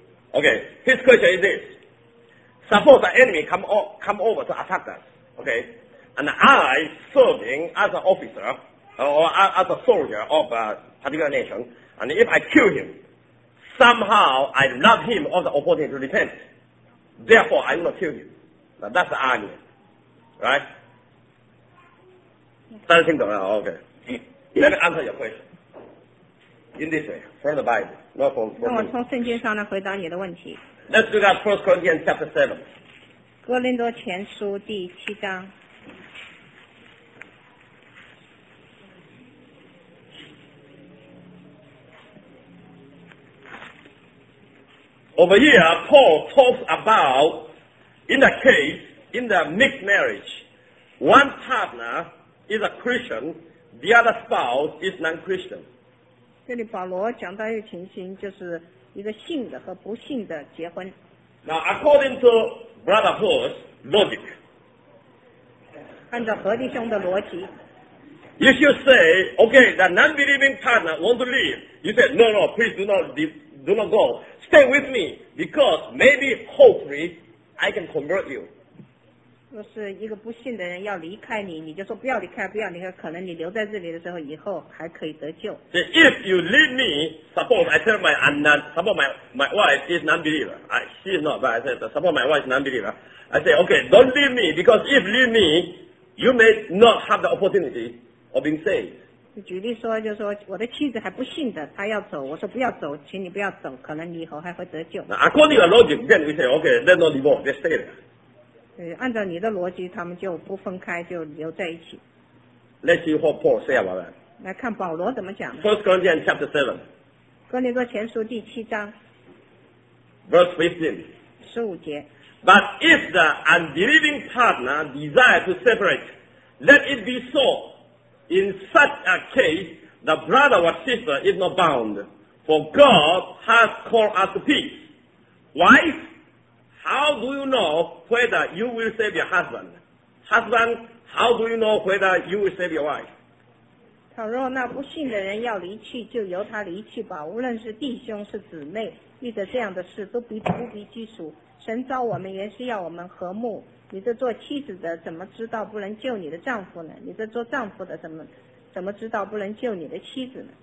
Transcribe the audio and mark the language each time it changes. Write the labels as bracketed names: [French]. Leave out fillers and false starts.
[English] OK， his question is this: Suppose the enemy come over to attack us, OK, and I serving as an officer or as a soldier of a particular nation, and if I kill him, somehow I love him or the opponent to repent. Therefore, I will not kill you. Now, that's the argument. Right? [Chinese] 大家听懂了 [English] ?OK. Let me answer your question. In this way, from the Bible, not from the Bible. [Chinese] 让我从圣经上来回答你的问题。 [English] Let's look at 1 Corinthians chapter 7. [Chinese] 哥林多前书第七章。 [English] Over here, Paul talks about, in the case, in the mixed marriage, one partner is a Christian, the other spouse is non-Christian. [Chinese] 这里保罗讲到一个情形，就是一个信的和不信的结婚。 [English] Now, according to Brother Hood's logic, [Chinese] 按照何弟兄的逻辑， [English] if you say, okay, the non-believing partner wants to leave, you say, no, no, please do not go. Stay with me, because maybe, hopefully, I can convert you. [Chinese] 若是一个不信的人要离开你，你就说不要离开，不要离开，可能你留在这里的时候，以后还可以得救。 [English] So if you leave me, suppose I tell my my wife is non-believer. She is not, but I said, suppose my wife is non-believer. I say, okay, don't leave me, because if leave me, you may not have the opportunity of being saved. [Chinese] 举例说，就是说我的妻子还不信的，她要走，我说不要走，请你不要走，可能你以后还会得救。 [English] Now, according to logic, then we say, okay, let's not divorce, let's stay there. [Chinese] 按照你的逻辑，他们就不分开，就留在一起。 [English] Let's see what Paul say about that. [Chinese] 来看保罗怎么讲。 [English] First Corinthians chapter 7. [Chinese] 哥林多前书第七章。 [English] Verse 15. [Chinese] 十五节。 [English] But if the unbelieving partner desire to separate, let it be so. In such a case, the brother or sister is not bound, for God has called us to peace. Wife, how do you know whether you will save your husband? Husband, how do you know whether you will save your wife? [Chinese] 倘若那不信的人要离去，就由他离去吧。无论是弟兄是姊妹，遇着这样的事，都不必拘束。神召我们原是要我们和睦。你这做妻子的怎么知道不能救你的丈夫呢？你这做丈夫的怎么知道不能救你的妻子呢？